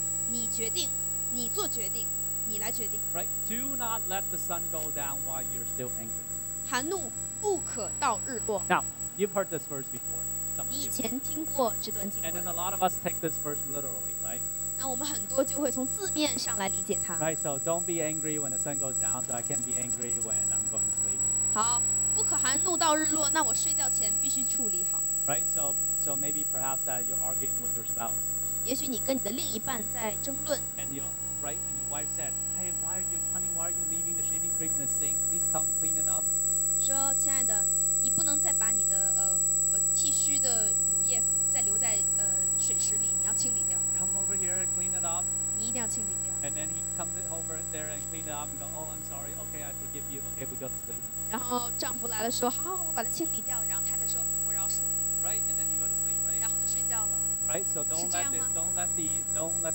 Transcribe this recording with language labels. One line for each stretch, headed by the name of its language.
Chinese: 你决定，你做决定，你来决定。
English: Right, do not let the sun go down while you're still angry.
Chinese: 含怒不可到日落。
English: Now,You've heard this verse before.
Chinese: 你以前听过这段经文。
English: And then a lot of us take this verse literally, right?
Chinese: 那我们很多就会从字面上来理解它。
English: Right, so don't be angry when the sun goes down, so I can't be angry when I'm going to sleep.
Chinese: 好，不可含怒到日落，那我睡觉前必须处理好。
English: Right, so maybe perhaps that you're arguing with your spouse.
Chinese: 也许你跟你的另一半在争论。
English: And your wife said, Hey, why are you, honey? Why are you leaving the shaving cream in the sink? Please come clean it up.
Chinese: 说，亲爱的。你不能再把你的剃须的乳液再留在水池里，你要清理掉。
English: Come over here and clean it up.
Chinese: 你一定要清理掉。
English: And then he comes over there and clean it up and go, Oh, I'm sorry. Okay, I forgive you. Okay, we go to sleep.
Chinese: 然后丈夫来了说，好，我把它清理掉。然后太太说，我饶恕你。
English: Right, and then you go to sleep, right?
Chinese: 然后就睡觉了。
English: Right, so don't let the don't let the don't